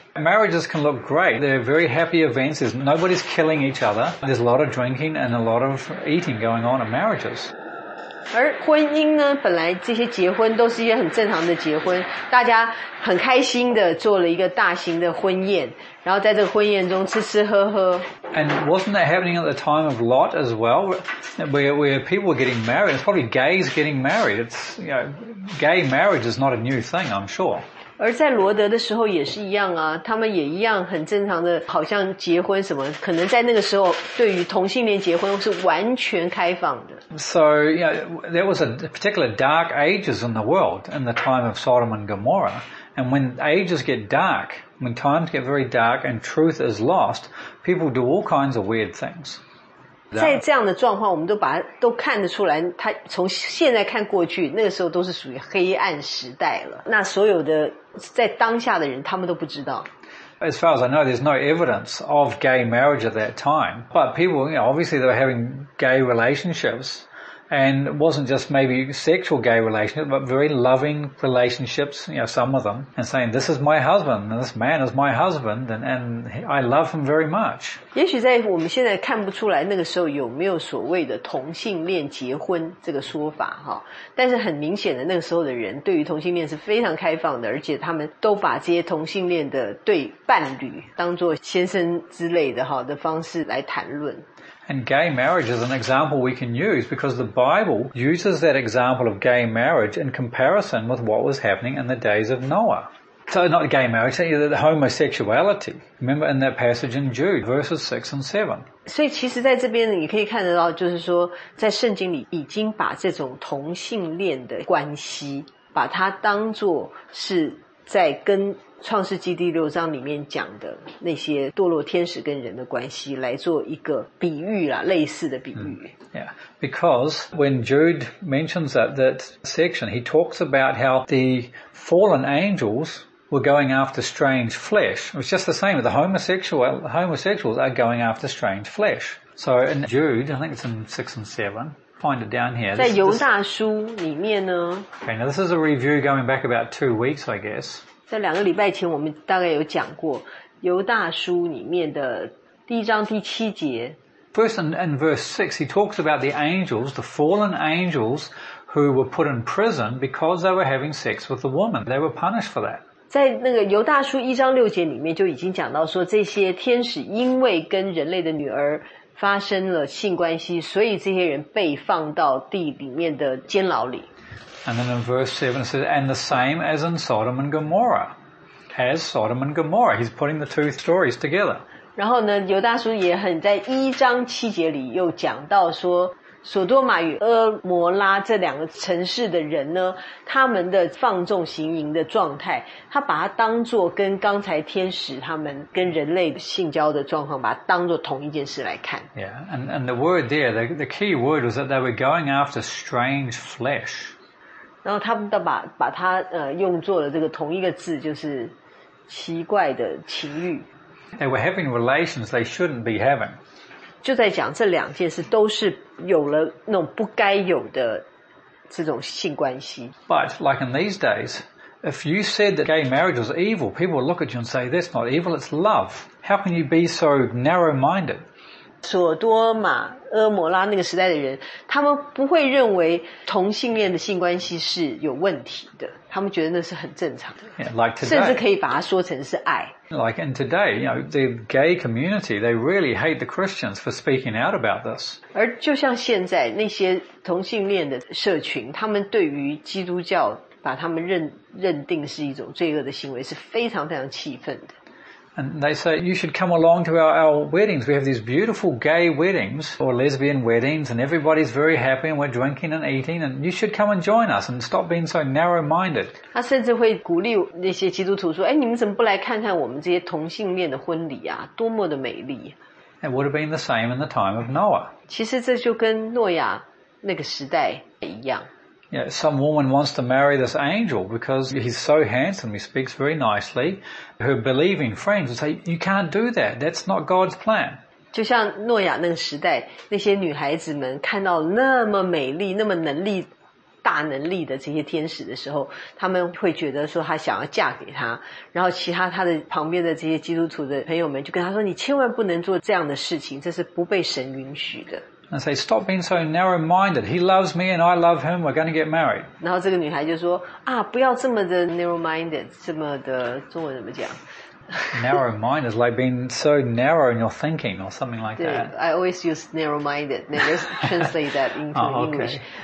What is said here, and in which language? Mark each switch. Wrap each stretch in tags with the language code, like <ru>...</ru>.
<en>Marriages can look great. They're very happy events. Nobody's killing each other. There's a lot of drinking and a lot of eating going on in marriages.</en> <zh>而婚姻呢，本来这些结婚都是一些很正常的结婚，大家很开心的做了一个大型的婚宴，然后在这个婚宴中吃吃喝喝。</zh> <en>And wasn't that happening at the time of Lot as well? Where people were getting married. It's probably gays getting married. It's, you know, gay marriage is not a new thing, I'm sure.</en> <zh>而在罗德的时候也是一样啊，他们也一样很正常的，好像结婚什么，可能在那个时候对于同性恋结婚是完全开放的。</zh> <en>So, you know, there was a particular dark ages in the world in the time of Sodom and Gomorrah. And when ages get dark, when times get very dark and truth is lost, people do all kinds of weird things.</en> <zh>在这样的状况，我们都把它都看得出来，它从现在看过去，那个时候都是属于黑暗时代了。那所有的在当下的人，他们都不知道。</zh> <en>As far as I know, there's no evidence of gay marriage at that time. But people, you know, obviously they were having gay relationships, and it wasn't just maybe sexual gay relationships, but very loving relationships. You know, some of them and saying, "This is my husband. And this man is my husband, and I love him very much."</en> <zh>也许在我们现在看不出来那个时候有没有所谓的同性恋结婚这个说法哈，但是很明显的，那个时候的人对于同性恋是非常开放的，而且他们都把这些同性恋的对伴侣当作先生之类的哈的方式来谈论。</zh> <en>And gay marriage is an example we can use because the Bible uses that example of gay marriage in comparison with what was happening in the days of Noah. So not gay marriage, the homosexuality. Remember in that passage in Jude, verses 6 and 7.</en> <zh>所以其实在这边你可以看得到，就是说在圣经里已经把这种同性恋的关系把它当作是在跟创世纪第六章里面讲的那些堕落天使跟人的关系来做一个比喻啦，类似的比喻。</zh> <en>Yeah, because when Jude mentions that section, he talks about how the fallen angels were going after strange flesh. It's just the same. The homosexuals are going after strange flesh. So in Jude, I think it's in 6 and 7,Find it down here.</en> <zh>在犹大书里面呢。</zh> <en>Okay, now this is a review going back about 2 weeks, I guess.</en> <zh>在两个礼拜前我们大概有讲过犹大书里面的第一章第七节。</zh> <en>First in verse 6, he talks about the angels, the fallen angels who were put in prison because they were having sex with the woman. They were punished for that.</en> <zh>在那个犹大书一章六节里面就已经讲到说，这些天使因为跟人类的女儿发生了性关系，所以这些人被放到地里面的监牢里。</zh> <en>And then in verse 7 it says, and the same as in Sodom and Gomorrah. As Sodom and Gomorrah. He's putting the two stories together.</en> <zh>然后呢，犹大书也很在一章七节里又讲到说，索多玛与俄摩拉这两个城市的人呢，他们的放纵行淫的状态，他把它当作跟刚才天使他们跟人类性交的状况，把它当作同一件事来看。</zh> <en>Yeah, and the word there, the key word was that they were going after strange flesh.</en> <zh>然后他们都把它用作了这个同一个字，就是奇怪的情欲。</zh> <en>They were having relations they shouldn't be having.</en> <zh>就在讲这两件事都是有了那种不该有的这种性关系。</zh> <en>But like in these days, if you said that gay marriage was evil, people would look at you and say, that's not evil, it's love. How can you be so narrow-minded?</en> <zh>索多玛、阿摩拉那个时代的人，他们不会认为同性恋的性关系是有问题的，他们觉得那是很正常的。</zh> <en>Yeah, like today,</en> <zh>甚至可以把它说成是爱。</zh> <en>Like in today, you know, the gay community, they really hate the Christians for speaking out about this.</en> <zh>而就像现在那些同性恋的社群，他们对于基督教把他们认定是一种罪恶的行为是非常非常气愤的。</zh> <en>And they say, you should come along to our weddings. We have these beautiful gay weddings or lesbian weddings and everybody's very happy and we're drinking and eating and you should come and join us and stop being so narrow-minded.</en> <zh>他甚至会鼓励那些基督徒说，哎，你们怎么不来看看我们这些同性恋的婚礼啊，多么的美丽。</zh> <en>It would have been the same in the time of Noah.</en> <zh>其实这就跟诺亚那个时代一样。</zh> <en>Yeah, some woman wants to marry this angel because he's so handsome, he speaks very nicely. Her believing friends would say, you can't do that, that's not God's plan.</en> <zh>就像诺亚那个时代，那些女孩子们看到那么美丽，那么能力，大能力的这些天使的时候，他们会觉得说她想要嫁给他，然后其他她的旁边的这些基督徒的朋友们就跟她说，你千万不能做这样的事情，这是不被神允许的。</zh> <en>And say, stop being so narrow-minded. He loves me and I love him. We're going to get married.</en> <zh>然后这个女孩就说，啊，不要这么的 narrow-minded, 这么的，中文怎么讲？</zh> <en>Narrow-minded is like being so narrow in your thinking or something like that. I always use narrow-minded. Let's translate that into English.</en>